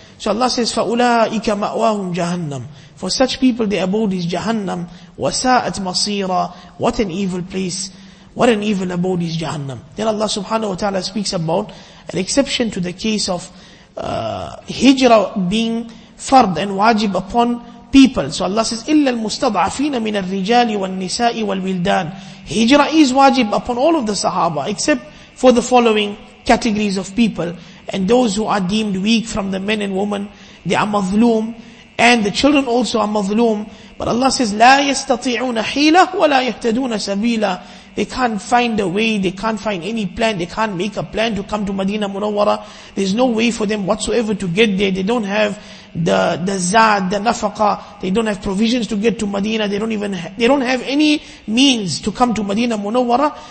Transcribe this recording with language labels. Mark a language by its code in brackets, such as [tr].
[en] So Allah says, [ar] فَأُولَٰئِكَ مَأْوَاهُمْ جَهَنَّمْ. [en] For such people their abode is Jahannam. [ar] وَسَاءَتْ مَصِيرًا. [en] What an evil place. What an evil abode is Jahannam. Then Allah subhanahu wa ta'ala speaks about an exception to the case of hijrah being fard and wajib upon people. So Allah says, [ar] إِلَّا الْمُسْتَضْعَفِينَ مِنَ الرِّجَالِ وَالنِّسَاءِ وَالْوِلْدَانِ. [en] Hijrah is wajib upon all of the sahaba, except for the following categories of people. and those who are deemed weak from the men and women, they are mazloom, and the children also are mazloom. But Allah says, [ar] لا يستطيعون حيلة ولا يهتدون سبيلا. [en] They can't find a way, they can't find any plan, they can't make a plan to come to Madinah Munawwara. There's no way for them whatsoever to get there. They don't have the zaad, the nafaqa. They don't have provisions to get to Madinah. They don't have any means to come to Madinah Munawwara.